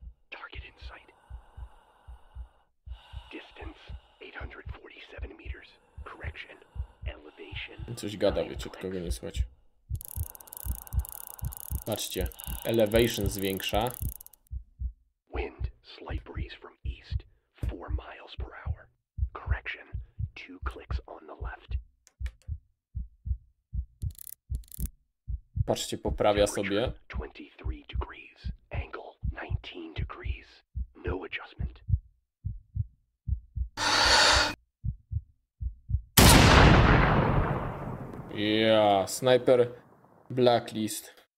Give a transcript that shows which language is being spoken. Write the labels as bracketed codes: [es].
[en] Target in sight. Distance 847 meters. Correction. Elevation. [pl] Coś gada, wiecie, tylko go nie słychać. Patrzcie, elevation zwiększa. [en] Wind, slight breeze from east, 4 miles per hour. Correction, 2 clicks on the left. [pl] Patrzcie, poprawia sobie. [en] 23 degrees, angle 19 degrees, no adjustment. Yeah, sniper blacklist.